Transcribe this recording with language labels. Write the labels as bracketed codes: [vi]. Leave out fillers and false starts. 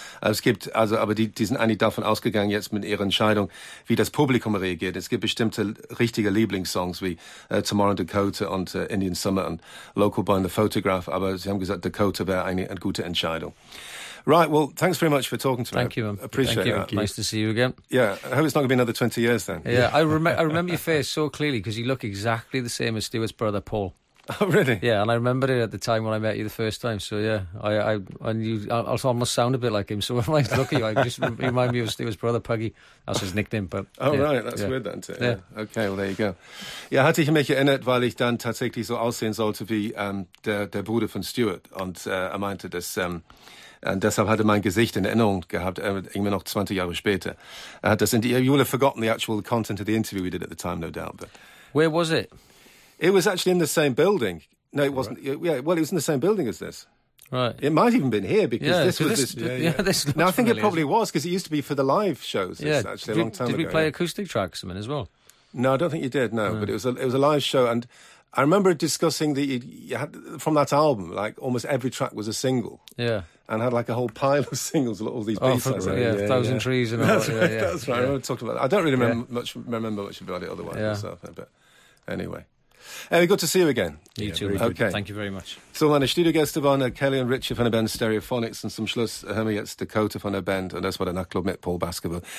[de] Es gibt, also, aber die sind eigentlich davon ausgegangen, jetzt mit ihrer Entscheidung, wie das Publikum reagiert. Es gibt bestimmte richtige Lieblingssongs wie Tomorrow Dakota und Indian Summer und Local Boy and the Photograph. Aber sie haben gesagt, Dakota wäre eine gute Entscheidung. [en] Right, well, thanks very much for talking to me. Thank you, man. Appreciate it. Nice to see you again. Yeah, I hope it's not going to be another 20 years then. Yeah, I remember your face so clearly because you look exactly the same as Stuart's brother, Paul. Oh, really? Yeah, and I remember it at the time when I met you the first time. So, yeah, I almost sound a bit like him. So when I look at you, I just remind me of Stuart's brother, Puggy. That's his nickname. But, oh, yeah. Right, that's weird, isn't it? Yeah. Okay, well, there you go. [de] Ja, hatte ich mich erinnert, weil ich dann tatsächlich so aussehen sollte wie der Bruder von Stuart. Und er meinte, dass... Und deshalb hatte mein Gesicht in Erinnerung gehabt, irgendwie noch 20 Jahre später. [en] You'll have forgotten the actual content of the interview we did at the time, no doubt. But where was it? It was actually in the same building. No, it wasn't. Right. Yeah, well, it was in the same building as this. Right. It might have even been here because this was this. Yeah, this now, I think familiar. It probably was because it used to be for the live shows, actually, a long time ago. Did we play acoustic tracks I mean, as well? No, I don't think you did, no. Mm. But it was a live show. And I remember discussing that you had, from that album, like almost every track was a single. Yeah. And had like a whole pile of singles, all these B-sides. Oh, yeah, Thousand Trees and all that. Right, yeah, that's right. Yeah. I remember talking about that. I don't really remember much about it otherwise myself. But anyway. Anyway, good to see you again. You too. Okay. Thank you very much. [de] So meine Studiogäste waren Kelly und Richard von der Band Stereophonics und zum Schluss hören wir jetzt Dakota von der Band und das war der Nachtclub mit Paul Baskerville.